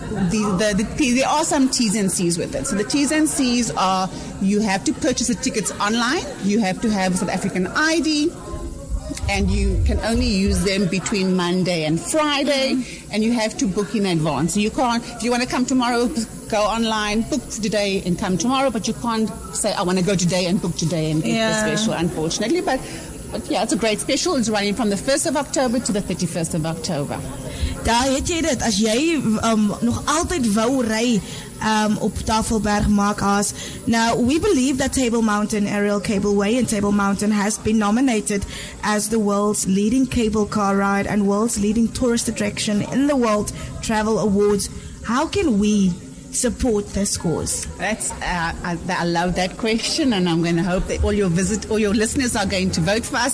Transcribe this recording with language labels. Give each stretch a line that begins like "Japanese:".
English: There are some T's and C's with it. So the T's and C's are you have to purchase the tickets online, you have to have a South African ID, and you can only use them between Monday and Friday, and you have to book in advance. So you can't, if you want to come tomorrow, go online, book today and come tomorrow, but you can't say, I want to go today and book today and get the special, unfortunately. But yeah, it's a great special. It's running from the 1st of October to the 31st of October.
Afrikaans: Daar het jy dit, as jy nog altyd wou ry op Tafelberg maak as.
English: Now, we believe that Table Mountain Aerial Cableway and Table Mountain has been nominated as the world's leading cable car ride and world's leading tourist attraction in the World Travel Awards. How can we support this cause? I love that question, and I'm going to hope that all your listeners are going to vote for us.